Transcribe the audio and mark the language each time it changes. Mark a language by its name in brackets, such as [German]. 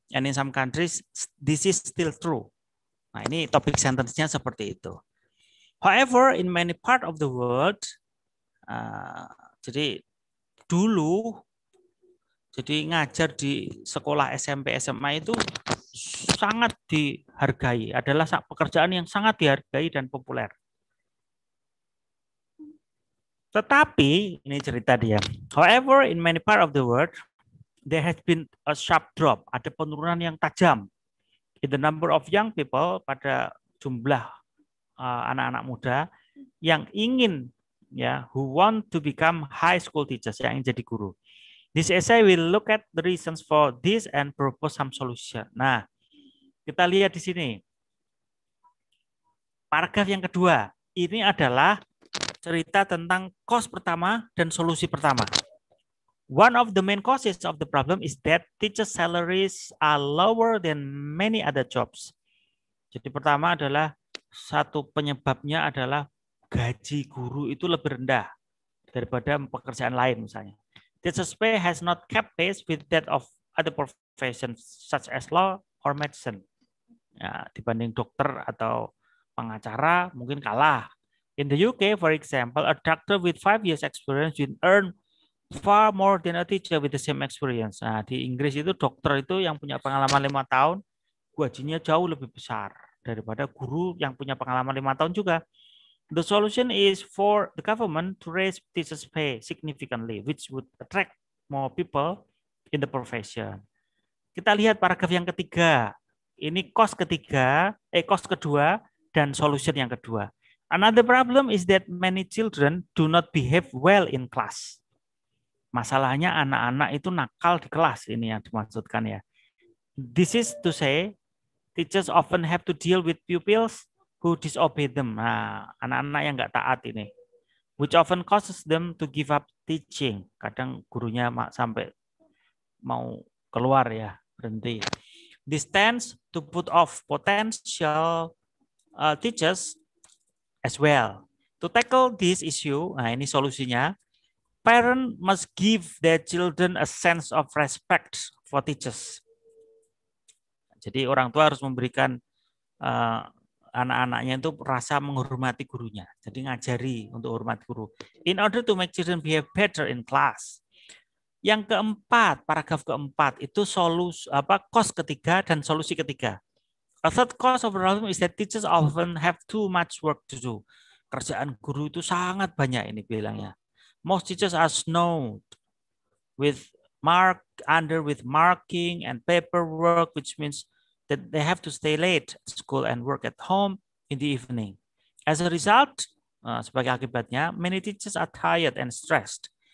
[English] And in some countries, this is still true. [Indonesian] Nah, ini topik sentence-nya seperti itu. [English] However, in many part of the world, [Indonesian] jadi dulu, jadi ngajar di sekolah SMP, SMA itu sangat dihargai, adalah pekerjaan yang sangat dihargai dan populer. Tetapi, ini cerita dia. [English] However, in many part of the world, there has been a sharp drop. [Indonesian] Ada penurunan yang tajam [English] in the number of young people, [Indonesian] pada jumlah anak-anak muda yang ingin, ya, [English] who want to become high school teachers, [Indonesian] yang ingin jadi guru. [English] This essay will look at the reasons for this and propose some solution. [Indonesian] Nah, kita lihat di sini. Paragraf yang kedua, ini adalah cerita tentang cause pertama dan solusi pertama. [English] One of the main causes of the problem is that teacher salaries are lower than many other jobs. [Indonesian] Jadi pertama adalah satu penyebabnya adalah gaji guru itu lebih rendah daripada pekerjaan lain misalnya. [English] Teacher's pay has not kept pace with that of other professions such as law or medicine. [Indonesian] Ya, dibanding dokter atau pengacara mungkin kalah. [English] In the UK, for example, a doctor with 5 years experience will earn far more than a teacher with the same experience. [Indonesian] Nah, di Inggris itu dokter itu yang punya pengalaman 5 tahun, gajinya jauh lebih besar daripada guru yang punya pengalaman 5 tahun juga. [English] The solution is for the government to raise teachers' pay significantly, which would attract more people in the profession. [Indonesian] Kita lihat paragraf yang ketiga. Ini cost kedua dan solution yang kedua. [English] Another problem is that many children do not behave well in class. [Indonesian] Masalahnya anak-anak itu nakal di kelas, ini yang dimaksudkan ya. [English] This is to say, teachers often have to deal with pupils who disobey them. [Indonesian] Nah, anak-anak yang nggak taat ini. [English] Which often causes them to give up teaching. [Indonesian] Kadang gurunya sampai mau keluar ya, berhenti. [English] This tends to put off potential teachers as well. To tackle this issue, [Indonesian] nah ini solusinya, [English] parents must give their children a sense of respect for teachers. [Indonesian] Jadi orang tua harus memberikan anak-anaknya itu rasa menghormati gurunya. Jadi ngajari untuk hormat guru. [English] In order to make children behave better in class. [Indonesian] Yang keempat, paragraf keempat, itu cost ketiga dan solusi ketiga. [English] A third cause of the problem is that teachers often have too much work to do. [Indonesian] Kerjaan guru itu sangat banyak ini bilangnya. [English] Most teachers are snowed with marking and paperwork, which means that they have to stay late at school and work at home in the evening. As a result, [Indonesian] sebagai akibatnya, [English] many teachers are tired and stressed.